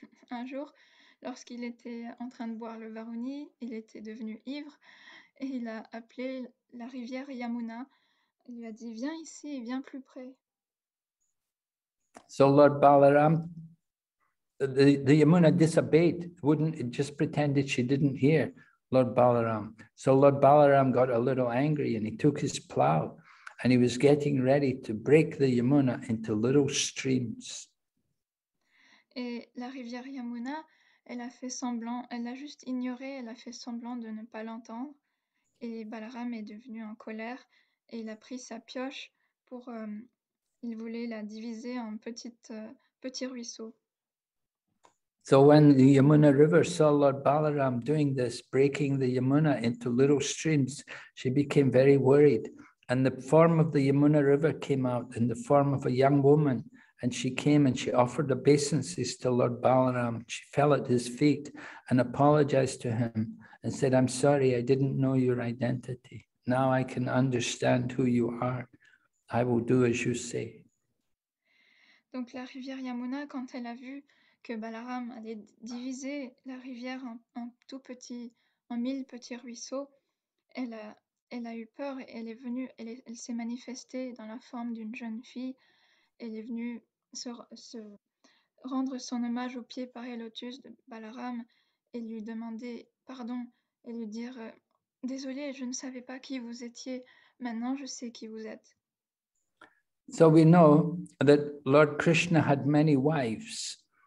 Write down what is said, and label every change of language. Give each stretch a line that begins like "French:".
French: Un jour, lorsqu'il était en train de boire le Varuni, il était devenu ivre et il a appelé la rivière Yamuna. Il lui a dit, viens ici, viens plus près.
English: So Lord Balaram, the Yamuna disobeyed, it just pretended she didn't hear Lord Balaram. So Lord Balaram got a little angry and he took his plow and he was getting ready to break the Yamuna into little streams.
French: Et la rivière Yamuna, elle a juste ignoré, elle a fait semblant de ne pas l'entendre. Et Balaram est devenu en colère et il a pris sa pioche pour, il voulait la diviser en petits ruisseaux.
English: So when the Yamuna River saw Lord Balaram doing this, breaking the Yamuna into little streams, she became very worried. And the form of the Yamuna River came out in the form of a young woman. And she came and she offered obeisances to Lord Balaram. She fell at his feet and apologized to him and said, I'm sorry, I didn't know your identity. Now I can understand who you are. I will do as you say.
French: Donc la rivière Yamuna, quand elle a vu que Balaram allait diviser la rivière en mille petits ruisseaux, elle a eu peur, elle est venue, elle s'est manifestée dans la forme d'une jeune fille, elle est venue se rendre son hommage aux pieds parés lotus de Balaram et lui demander pardon et lui dire « Désolée, je ne savais pas qui vous étiez, maintenant je sais qui vous êtes. »
English: So we know that Lord Krishna had many wives.